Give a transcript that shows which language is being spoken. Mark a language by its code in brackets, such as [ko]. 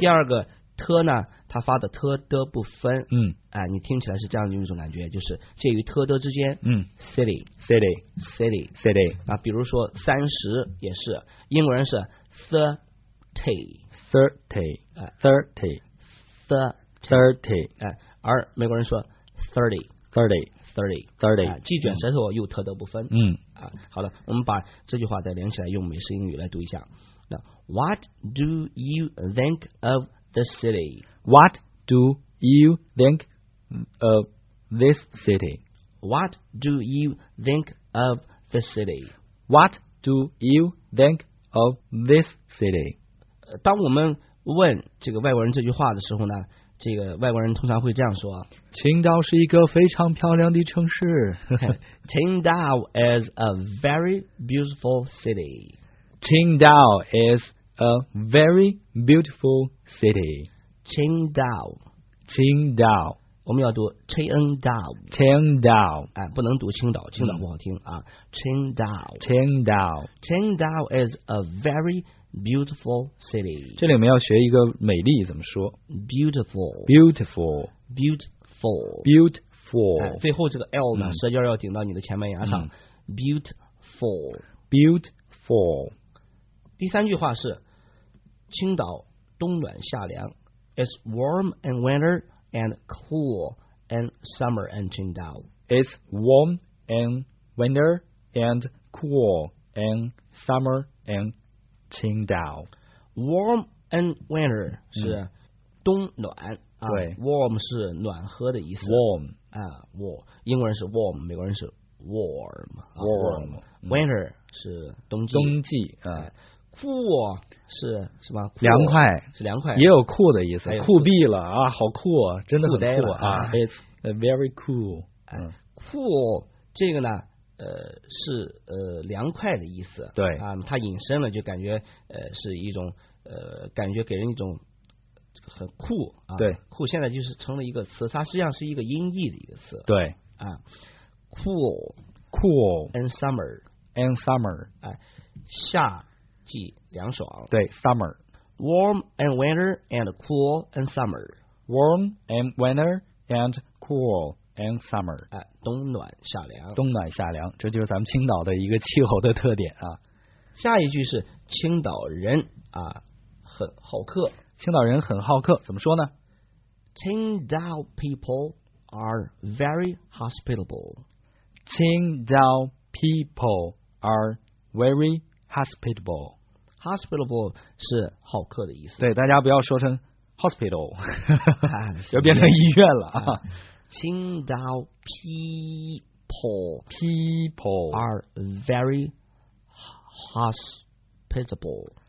[zh] 第二个 t 呢，它发的 t 的不分，哎，你听起来是这样的一种感觉，就是介于 t 的之间，city。啊，比如说三十也是，英国人是 thirty， 哎，而美国人说 thirty，既卷舌头又 t 的不分，啊，好的，我们把这句话再连起来，用美式英语来读一下。 [en] 那 What do you think of the city? What do you think of this city? What do you think of the city? What do you think of this city? [zh] 当我们问这个外国人这句话的时候呢，这个外国人通常会这样说，青岛是一个非常漂亮的城市。 [en] Qingdao is a very beautiful city. Qingdao is a very beautiful city. Qingdao. Qingdao. [zh] 我们要读 Qingdao， [en] Qingdao， [zh] 哎，不能读青岛，青岛不好听啊。 [en] Qingdao， Qingdao， Qingdao is a very beautiful city。 [zh] 这里面要学一个美丽怎么说 [en] ？Beautiful， beautiful， beautiful， beautiful、哎。 [zh] 最后这个 L 呢，舌尖要顶到你的前门牙上。 [en] Beautiful， beautiful。 [zh] 第三句话是，青岛冬暖夏凉 ， [en] It's warm in winter。 And cool in summer in Qingdao. It's warm in winter and cool in summer in Qingdao. Warm in winter [zh] 是冬暖、对，warm 是暖和的意思。 [en] Warm [zh] 啊 ，warm 英国人是 warm， 美国人是 warm。 [en] Warm [zh] winter 是冬季。冬季啊。酷是什么？凉快是凉快，也有酷的意思，酷毙了啊！好酷、啊，真的很酷啊 [en] ！It's very cool、 [zh] Cool 这个呢，是凉快的意思。对啊，它引申了，就感觉是一种感觉给人一种很酷啊。对，酷现在就是成了一个词，它实际上是一个音译的一个词。对 [en] 啊 ，cool cool and summer and summer [zh] 哎、夏。季凉爽， [en] 对 ，summer， warm and winter and cool and summer， warm and winter and cool and summer， [zh] 哎，冬暖夏凉，冬暖夏凉，这就是咱们青岛的一个气候的特点啊。下一句是青岛人啊，很好客，青岛人很好客，怎么说呢 [en] ？Qingdao people are very hospitable. Qingdao people are very hospitable。 [zh] Hospitable 是好客的意思。对，大家不要说成 hospital， 就变成医院了。 [en] Qingdao people people are very hospitable